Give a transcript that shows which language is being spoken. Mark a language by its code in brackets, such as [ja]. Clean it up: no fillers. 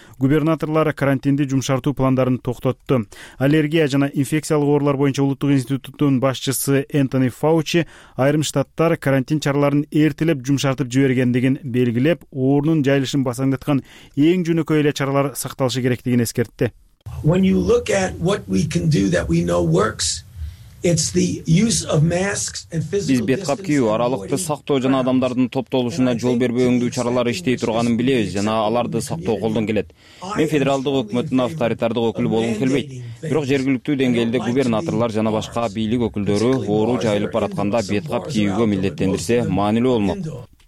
[ky] Губернаторлор карантинди жумшартуу план токтотту. Аллергия жана инфекциялык оорулар боюнча улуттук институттун башчысы Энтони Фаучи айрым штаттар карантин чараларын эртелеп жумшартып жибергендигин белгилеп, оорунун жайылышын басаңдаткан эң жөнөкөй эле чаралар сакталышы керектигин эскертти. [en] When you look at what we can do that we know works, it's the use of masks and physical distancing. [ky] Бет кап кию, аралыкты сактоо жана адамдардын топтолушуна жол бербөө өңдүү чаралар иштей турганын билебиз жана аларды сактоо колдон келет. Мен федералдык өкмөттүн авторитардык өкүлү болгум келбейт. Бирок жергиликтүү деңгээлде губернаторлор жана башка бийлик өкүлдөрү оору жайылып баратканда бет кап кийүүгө милдеттендирсе маанилүү болмок.